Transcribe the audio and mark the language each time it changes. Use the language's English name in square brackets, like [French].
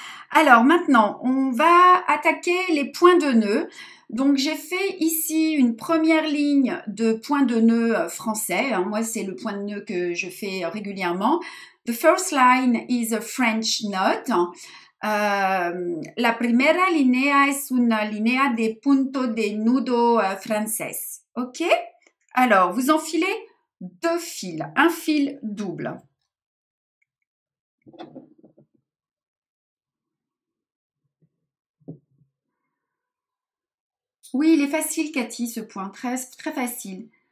[French] Alors maintenant, on va attaquer les points de nœud. Donc j'ai fait ici une première ligne de points de nœud français. Moi, c'est le point de nœud que je fais régulièrement. [English] The first line is a French knot. [Spanish] La primera linea es una linea de punto de nudo francés. Ok? [French] Alors, vous enfilez deux fils, un fil double. Oui, il est facile, Cathy, ce point. Très, très facile.